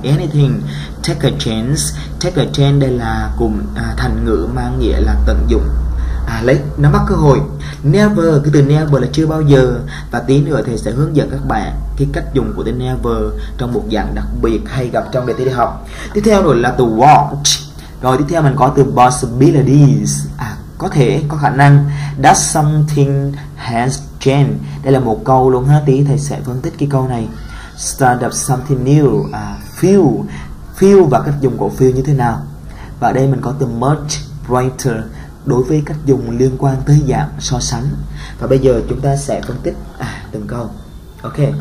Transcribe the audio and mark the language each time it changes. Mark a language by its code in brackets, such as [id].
[en] Anything, take a chance. [vi] Take a chance đây là cùng thành ngữ mang nghĩa là tận dụng, lấy nắm bắt cơ hội. Never, cái từ never là chưa bao giờ. Và tí nữa thì sẽ hướng dẫn các bạn cái cách dùng của từ never trong một dạng đặc biệt hay gặp trong đề thi đại học. Tiếp theo rồi là từ watch. Rồi tiếp theo mình có từ possibilities, có thể, có khả năng. [en] Does something has changed? [vi] Đây là một câu luôn ha, tí thầy sẽ phân tích cái câu này. [en] Start up something new, [vi] feel, feel và cách dùng của feel như thế nào. Và ở đây mình có từ much brighter, đối với cách dùng liên quan tới dạng so sánh. Và bây giờ chúng ta sẽ phân tích từng câu. Ok.